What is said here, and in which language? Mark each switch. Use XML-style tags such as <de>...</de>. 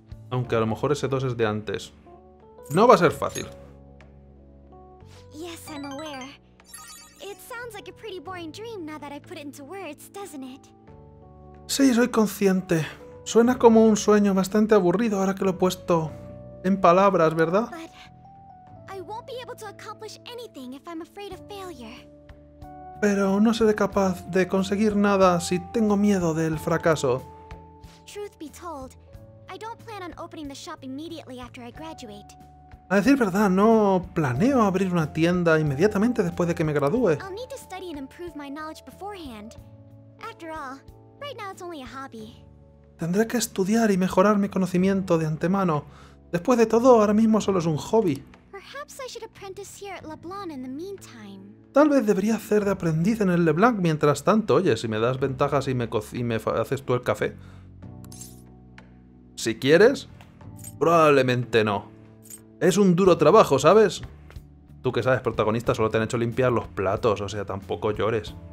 <es>Aunque a lo mejor ese 2 es de antes. No va a ser fácil.</es> <en>Yes, I'm aware. It sounds like a pretty boring dream now that I put it into words, doesn't it?</en> <es>Sí, soy consciente. Suena como un sueño bastante aburrido ahora que lo he puesto en palabras, ¿verdad?</es> <en>But I won't be able to accomplish anything if I'm afraid of failure.</en> <es>Pero no seré capaz de conseguir nada si tengo miedo del fracaso.</es> <en>Truth be told, I don't plan on opening the shop immediately after I graduate.</en> <es>A decir verdad, no planeo abrir una tienda inmediatamente después de que me gradúe.</es> <en>I'll need to study and improve my knowledge beforehand. After all, right now it's only a hobby.</en> <es>Tendré que estudiar y mejorar mi conocimiento de antemano. Después de todo, ahora mismo solo es un hobby.</es> <en>Perhaps I should apprentice here at LeBlanc in the meantime.</en> <es>Tal vez debería hacer de aprendiz en el LeBlanc mientras tanto, oye, si me das ventajas y me haces tú el café. Si quieres, probablemente no. Es un duro trabajo, ¿sabes? Tú que sabes, protagonista, solo te han hecho limpiar los platos, o sea, tampoco llores.</es>